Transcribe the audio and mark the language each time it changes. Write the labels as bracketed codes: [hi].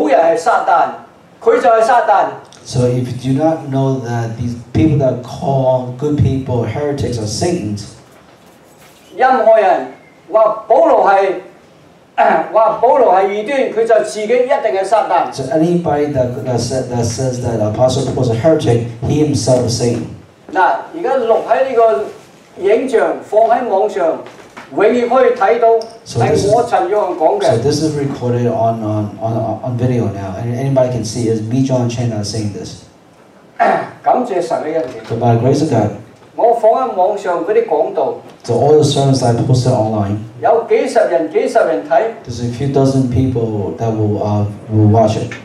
[zh] 如果你不知道那些說好人是撒旦，他就是撒旦。 [en] So if you do not know that these people that call good people heretics are Satans, [zh] 任何人說保羅是異端，他就自己一定是撒旦。 [en] So anybody that says that Apostle Paul is a heretic, he himself is Satan. [zh] 現在錄在這個影像，放在網上。 [en] So this is recorded on video now, and anybody can see it's me, John Chen, that's saying this. So by the grace of God, so all the sermons I posted online, there's a few dozen people that will watch it.